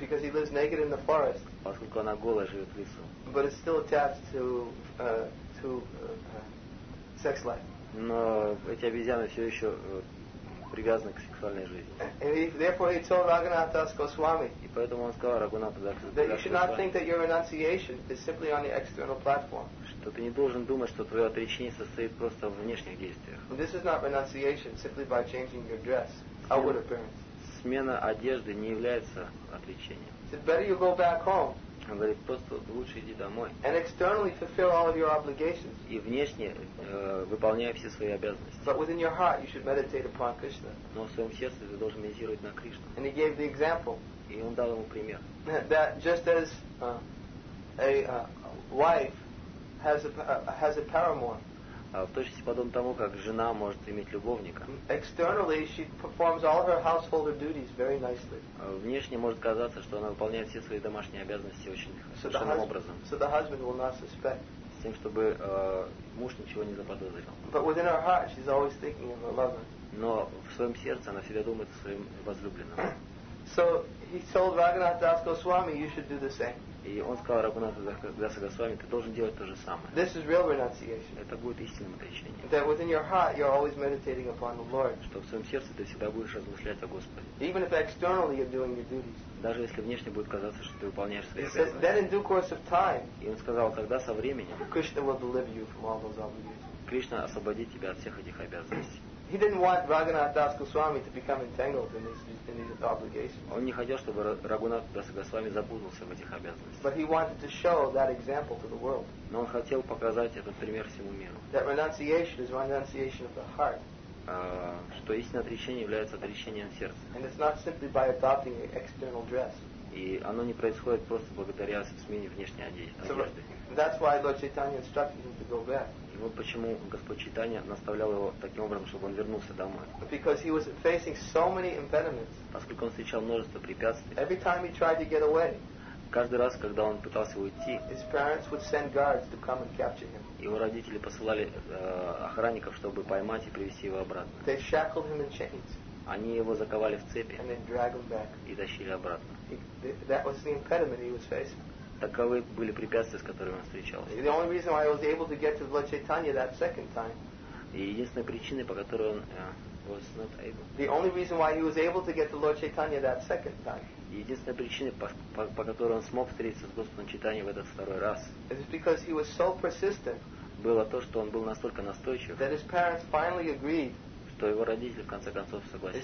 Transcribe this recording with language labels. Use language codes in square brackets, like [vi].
[en] Because he lives naked in the forest. [ru] Поскольку она голая живет в лесу. [en] But it's still attached to sex life. [ru] Но эти обезьяны все еще привязаны к сексуальной жизни. [en] And therefore he told Raghunath Das Goswami. [ru] И поэтому он сказал Раганатху Дас Госвами. [en] That you should not think that your renunciation is simply on the external platform. [ru] Что ты не должен думать, что твое отречение состоит просто в внешних действиях. [en] This is not renunciation simply by changing your dress, outward appearance. [ru] Смена одежды не является отвлечением. [en] Said, better you go back home. [ru] Он говорит, просто лучше иди домой. [en] And externally fulfill all of your obligations. [ru] И внешне выполняй все свои обязанности. [en] But within your heart you should meditate upon Krishna. [ru] Но в своем сердце ты должен медитировать на Кришну. [en] And he gave the example. [ru] И он дал ему пример. [en] That just as a wife has a paramour. [ru] В точности подобно тому, как жена может иметь любовника. [en] Externally, she performs all her household duties very nicely. [ru] Внешне может казаться, что она выполняет все свои домашние обязанности очень совершенным образом. [en] So the husband will not suspect. [ru] С тем, чтобы муж ничего не заподозрил. [en] But within her heart, she's always thinking of her lover. [ru] Но в своем сердце она всегда думает о своем возлюбленном. [en] So he told Raghunath Das Goswami, you should do the same. [ru] И он сказал Рагунату Даса Госвами, ты должен делать то же самое. [en] This is real renunciation. [ru] Это будет истинным отречением. [en] That within your heart you're always meditating upon the Lord. [ru] Что в своем сердце ты всегда будешь размышлять о Господе. [en] Even if externally you're doing your duties. [ru] Даже если внешне будет казаться, что ты выполняешь свои обязанности. [en] He says, then in due course of time. [ru] И он сказал, когда со временем. [en] Krishna will deliver you from all those obligations. [ru] Кришна освободит тебя от всех этих обязанностей. [en] He didn't want Raghunath Das Goswami to become entangled in his obligations. [ru] Он не хотел, чтобы Рагунат Дас Госвами запутался в этих обязанностях. [en] But he wanted to show that example to the world. [ru] Но он хотел показать этот пример всему миру. [en] That renunciation is renunciation of the heart. [ru] Что истинное отречение является отречением сердца. [en] And it's not simply by adopting an external dress. [ru] И оно не происходит просто благодаря смене внешней одежды. [en] So, that's why Lord Chaitanya instructed him to go back. [ru] И вот почему Господь Чайтанья наставлял его таким образом, чтобы он вернулся домой. [en] Because he was facing so many impediments. [ru] Поскольку он встречал множество препятствий. [en] Every time he tried to get away. [ru] Каждый раз, когда он пытался уйти. [en] His parents would send guards to come and capture him. [ru] Его родители посылали охранников, чтобы поймать и привести его обратно. [en] They shackled him in chains. [ru] Они его заковали в цепи. [en] And then drag him back. [ru] И тащили обратно. [en] That was the impediment he was facing. [ru] Таковы были препятствия, с которыми он встречался. [en] The only reason why I was able to get to Lord Chaitanya that second time. [ru] И единственная причина, по которой он [en] was not able. The only reason why he was able to get to Lord Chaitanya that second time. [ru] Единственная причина, по которой он смог встретиться с Господом Чайтаньей в этот второй раз. [en] It is because he was so persistent. [ru] Было то, что он был настолько настойчив. [en] That his parents finally agreed. [ru] Что его родители в конце концов согласились.